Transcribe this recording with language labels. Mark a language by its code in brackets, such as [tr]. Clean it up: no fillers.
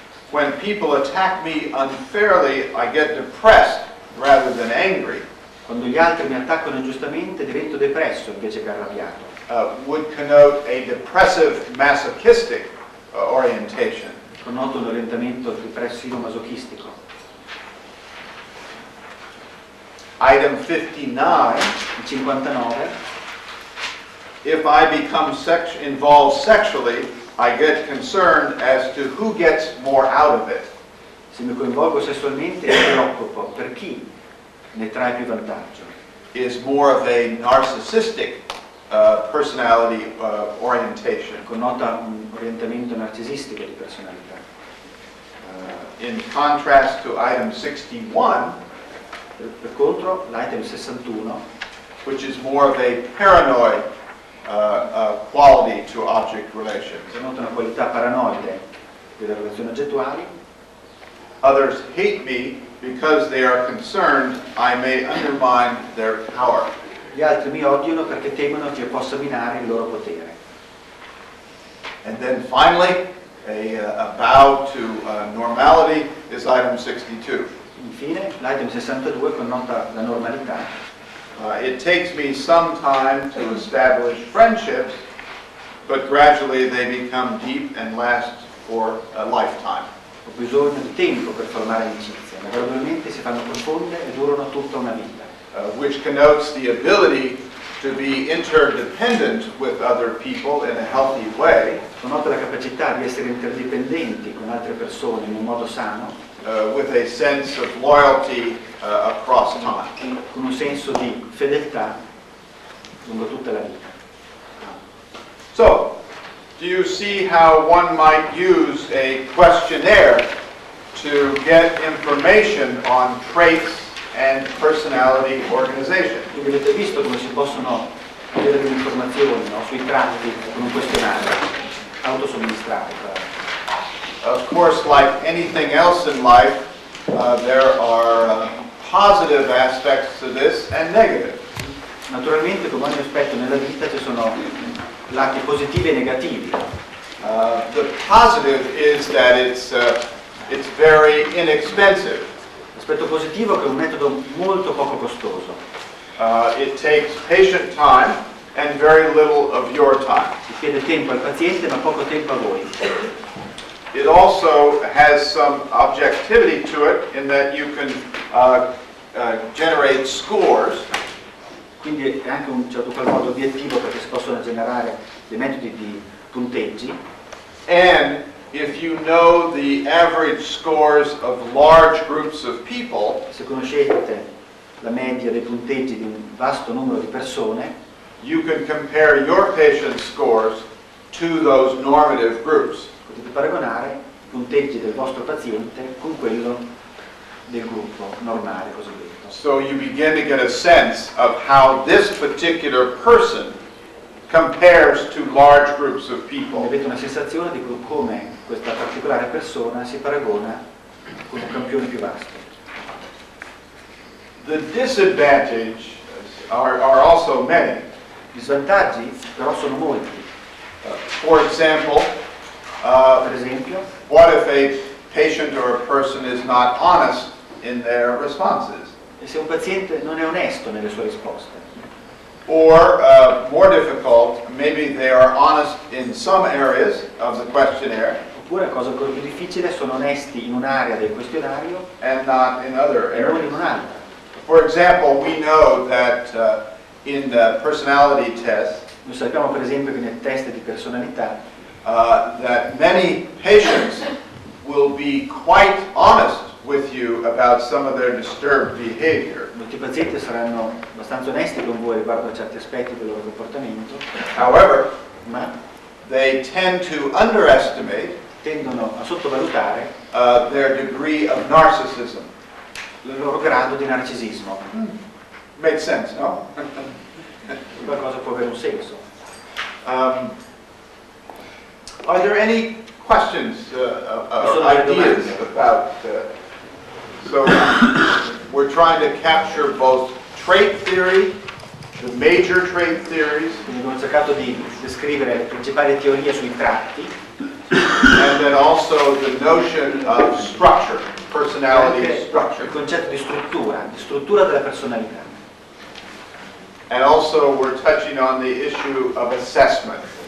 [en] When people attack me unfairly, I get depressed rather than angry. [it] Quando gli altri mi attaccano ingiustamente, divento depresso invece che arrabbiato. [en] Would connote a depressive masochistic orientation. [it] Connoto un orientamento depressivo masochistico. [en] Item 59. [it] Il 59. [en] If I become involved sexually, I get concerned as to who gets more out of it. [it] Se mi coinvolgo sessualmente, mi preoccupo per chi ne trae più vantaggio. [en] Is more of a narcissistic personality orientation. [it] Connota un orientamento narcisistico di personalità. [en] In contrast to item 61, [it] per contro, l'item 61, [en] which is more of a paranoid quality to object relations. [it] Si nota una qualità paranoide delle relazioni oggettuali. [en] Others hate me because they are concerned I may undermine their power. [it] Gli altri mi odiano perché temono che io possa minare il loro potere. [en] And then finally, a bow to normality is item 62. [it] Infine, l'item 62 connota la normalità. [en] It takes me some time to establish friendships, but gradually they become deep and last for a lifetime. [it] Ho bisogno di tempo per formare amicizie, ma gradualmente si fanno profonde e durano tutta una vita. [en] Which connotes the ability to be interdependent with other people in a healthy way. [it] Connota la capacità di essere interdependenti con altre persone in un modo sano. [en] With a sense of loyalty across time. [it] Con un senso di fedeltà lungo tutta la vita. [en] So, do you see how one might use a questionnaire to get information on traits and personality organization? [it] Avete visto come si possono avere delle informazioni, no, sui tratti con un questionario autosomministrato. [en] Of course, like anything else in life, there are positive aspects to this and negative. [it] Naturalmente, come ogni aspetto nella vita, ci sono lati positivi e negativi. [en] The positive is that it's very inexpensive. [it] L'aspetto positivo è che è un metodo molto poco costoso. [en] It takes patient time and very little of your time. [it] Richiede tempo al paziente, ma poco tempo a voi. [en] It also has some objectivity to it in that you can generate scores. [it] Quindi è anche un certo qual modo obiettivo perché si possono generare dei metodi di punteggi. [en] And if you know the average scores of large groups of people, [it] se conoscete la media dei punteggi di un vasto numero di persone, [en] you can compare your patient scores to those normative groups. [it] Potete paragonare i punteggi del vostro paziente con quello del gruppo normale, cosiddetto. [en] So you begin to get a sense of how this particular person compares to large groups of people. [it] Avete una sensazione di come questa particolare persona si paragona con un campione più vasto. [en] The disadvantages are also many. [it] Gli svantaggi però sono molti. [en] For example, [it] per esempio, [en] what if a patient or a person is not honest in their responses? [it] E se un paziente non è onesto nelle sue risposte? [en] Or, more difficult, maybe they are honest in some areas of the questionnaire. [it] Oppure, cosa ancora più difficile, sono onesti in un'area del questionario [en] and not in other areas. [it] E non in un'altra. [en] For example, we know that in the personality test, [it] noi sappiamo per esempio che nel test di personalità, [en] That many patients will be quite honest with you about some of their disturbed behavior. [it] Molti pazienti saranno abbastanza onesti con voi riguardo a certi aspetti del loro comportamento. [en] However, [it] ma [en] they tend to underestimate, [it] tendono a sottovalutare, [en] their degree of narcissism. [it] Il loro grado di narcisismo. [en] Makes sense, no? [it] Qualcosa può avere un senso. [en] Are there any questions or ideas about so we're trying to capture both trait theory, the major trait theories, [it] abbiamo cercato di descrivere le principali teorie sui tratti, [en] and then also the notion of structure, personality structure, [it] il concetto di struttura della personalità, [en] and also we're touching on the issue of assessment.